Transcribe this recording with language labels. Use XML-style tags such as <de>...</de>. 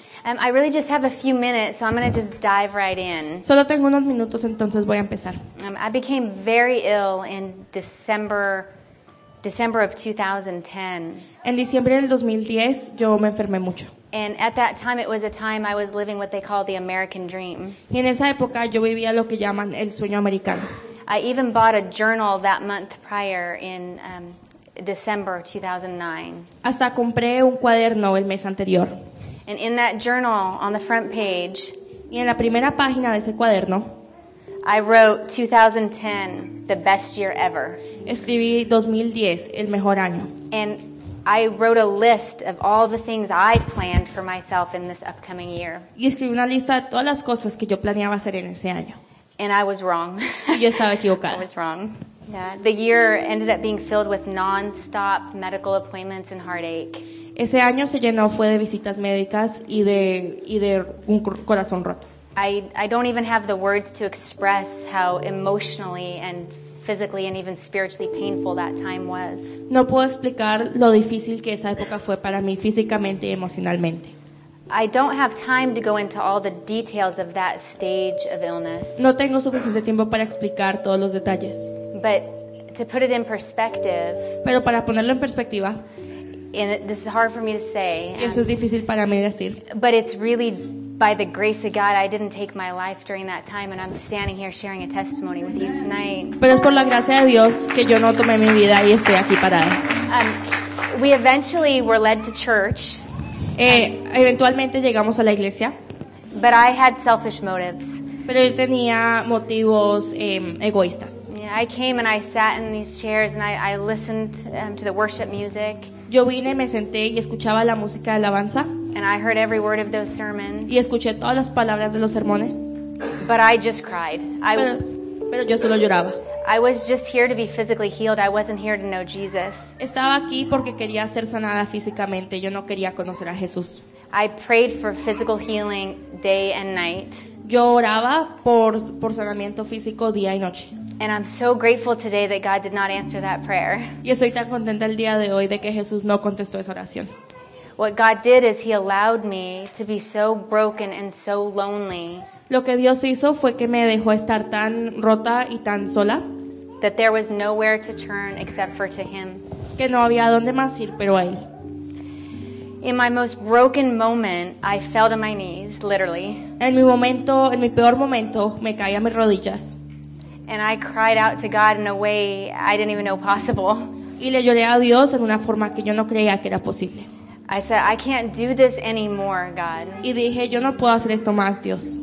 <en>I really just have a few minutes, so I'm going to just dive right in.</en> <es>Solo tengo unos minutos, entonces voy a empezar.</es> <en>I became very ill in December December of 2010.</en> <es>En diciembre del 2010, yo me enfermé mucho.</es> <en>And at that time, it was a time I was living what they call the American dream.</en> <es>Y en esa época, yo vivía lo que llaman el sueño americano.</es> <en>I even bought a journal that month prior in December 2009.</en> <es>Hasta compré un cuaderno el mes anterior.</es> <en>And in that journal, on the front page,</en> <es>y en la primera página de ese cuaderno,</es> <en>I wrote 2010, the best year ever.</en> <es>Escribí 2010, el mejor año.</es> <en>And I wrote a list of all the things I planned for myself in this upcoming year.</en> <es>Y escribí una lista de todas las cosas que yo planeaba hacer en ese año.</es> <en>And I was wrong.</en> <es>Y yo estaba equivocada.</es> <en>I was wrong. Yeah, the year ended up being filled with non-stop medical appointments and heartache.</en> <es>Ese año se llenó fue de visitas médicas y de un corazón roto.</es> <en>I don't even have the words to express how emotionally and physically and even spiritually painful that time was.</en> <es>No puedo explicar lo difícil que esa época fue para mí físicamente y emocionalmente.</es> <en>I don't have time to go into all the details of that stage of illness.</en> <es>No tengo suficiente tiempo para explicar todos los detalles.</es> <en>But to put it in perspective.</en> <es>Pero para ponerlo en perspectiva.</es> <en>And this is hard for me to say.</en> <es>Eso es difícil para mí decir.</es> <en>But it's really by the grace of God I didn't take my life during that time, and I'm standing here sharing a testimony with you tonight.</en> <es>Pero es por la gracia de Dios que yo no tomé mi vida y estoy aquí parada.</es> <en>We eventually were led to church.</en> <es>Eventualmente llegamos a la iglesia.</es> <en>But I had selfish motives.</en> <es>Pero yo tenía motivos egoístas.</es> <en>Yeah, I came and I sat in these chairs and I listened to the worship music.</en> <es>Yo vine, me senté y escuchaba la música de alabanza.</es> <en>And I heard every word of those sermons.</en> <es>Y escuché todas las palabras de los sermones.</es> <en>But I just cried.</en> <es>Pero yo solo lloraba.</es> <en>I was just here to be physically healed. I wasn't here to know Jesus.</en> <es>Estaba aquí porque quería ser sanada físicamente. Yo no quería conocer a Jesús.</es> <en>I prayed for physical healing day and night.</en> <es>Yo oraba por sanamiento físico día y noche.</es> <en>And I'm so grateful today that God did not answer that prayer.</en> <es>Y estoy tan contenta el día de hoy de que Jesús no contestó esa oración.</es> <en>What God did is He allowed me to be so broken and so lonely.</en> <es>Lo que Dios hizo fue que me dejó estar tan rota y tan sola.</es> <en>That there was nowhere to turn except for to Him.</en> <es>Que no había dónde más ir pero a Él.</es> <en>In my most broken moment, I fell to my knees, literally.</en> <es>En mi peor momento, me caí a mis rodillas.</es> <en>And I cried out to God in a way I didn't even know possible.</en> <es>Y le lloré a Dios en una forma que yo no creía que era posible.</es> <en>I said, I can't do this anymore, God.</en> <es>Y dije, yo no puedo hacer esto más, Dios.</es>